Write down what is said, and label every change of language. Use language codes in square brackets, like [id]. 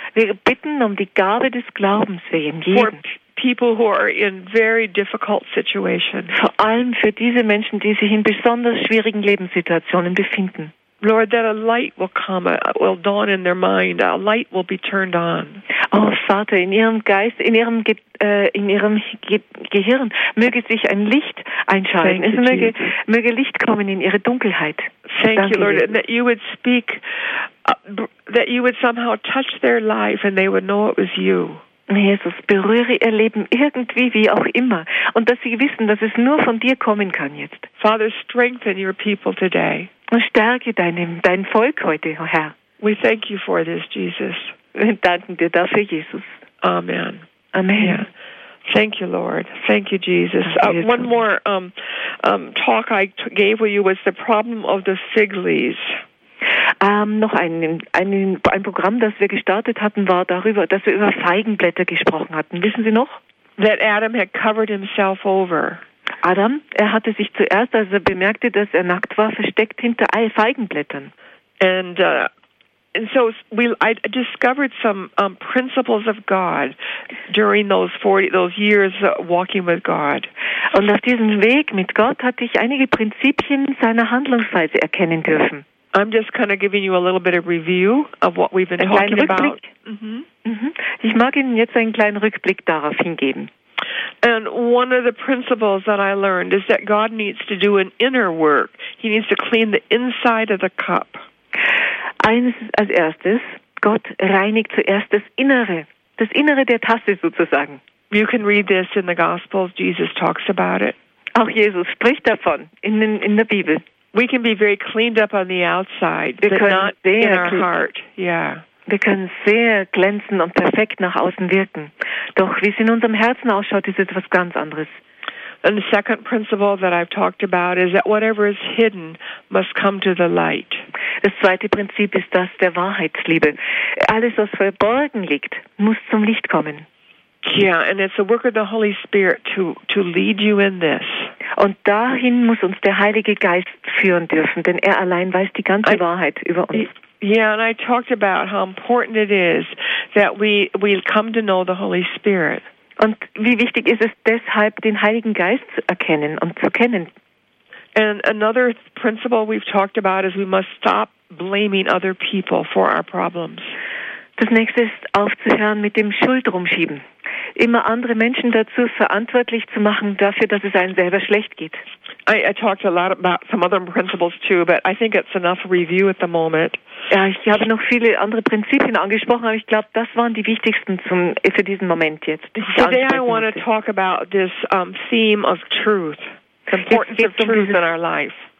[de] Wir bitten um die Gabe des Glaubens für jeden. [en] For people who are in very difficult situations. [de] Vor allem für diese Menschen, die sich in besonders schwierigen Lebenssituationen befinden. [en] Lord, that a light will come, will dawn in their mind, a light will be turned on. [de] Oh, Vater, in ihrem Geist, in ihrem Gehirn möge sich ein Licht einschalten. Es möge Licht kommen in ihre Dunkelheit. [en] Thank you, Lord, and that you would speak, that you would somehow touch their life and they would know it was you. [de] Jesus, berühre ihr Leben irgendwie, wie auch immer. Und dass sie wissen, dass es nur von dir kommen kann jetzt. [en] Father, strengthen your people today. [de] Und stärke dein Volk heute, Herr. [en] We thank you for this, Jesus. [de] Wir danken dir dafür, Jesus. Amen. Amen. Yeah. [en] Thank you, Lord. Thank you, Jesus. One more talk I gave with you was the problem of the fig leaves. [de] Noch ein Programm, das wir gestartet hatten, war darüber, dass wir über Feigenblätter gesprochen hatten. Wissen Sie noch? [en] That Adam had covered himself over. [de] Adam, er hatte sich zuerst, als er bemerkte, dass er nackt war, versteckt hinter Feigenblättern. [en] And And so I discovered some principles of God during those years walking with God. [de] Und auf diesem Weg mit Gott hatte ich einige Prinzipien seiner Handlungsweise erkennen dürfen. [en] I'm just kind of giving you a little bit of review of what we've been talking about. [de] Ich mag Ihnen jetzt einen kleinen Rückblick darauf hingeben. [en] And one of the principles that I learned is that God needs to do an inner work. He needs to clean the inside of the cup. [de] Eins als erstes, Gott reinigt zuerst das Innere der Tasse sozusagen. [en] You can read this in the Gospels, Jesus talks about it. [de] Auch Jesus spricht davon in der Bibel. [en] We can be very cleaned up on the outside, but not in our heart. Yeah. [de] Wir können sehr glänzend und perfekt nach außen wirken. Doch wie es in unserem Herzen ausschaut, ist etwas ganz anderes. [en] And the second principle that I've talked about is that whatever is hidden must come to the light. [de] Das zweite Prinzip ist das der Wahrheitsliebe. Alles, was verborgen liegt, muss zum Licht kommen. [en] Yeah, and it's the work of the Holy Spirit to lead you in this. [de] Und dahin muss uns der Heilige Geist führen dürfen, denn er allein weiß die ganze Wahrheit über uns. [en] Yeah, and I talked about how important it is that we come to know the Holy Spirit. [de] Und wie wichtig ist es deshalb, den Heiligen Geist zu erkennen und zu kennen? [en] And another principle we've talked about is we must stop blaming other people for our problems. [de] Das nächste ist aufzuhören mit dem Schuldrumschieben. Immer andere Menschen dazu verantwortlich zu machen dafür, dass es einem selber schlecht geht. [en] I talked a lot about some other principles too, but I think it's enough review at the moment. [de] Ja, ich habe noch viele andere Prinzipien angesprochen, aber ich glaube, das waren die wichtigsten für diesen Moment jetzt. [en] Today I want to talk about this theme of truth, the importance of truth in our life.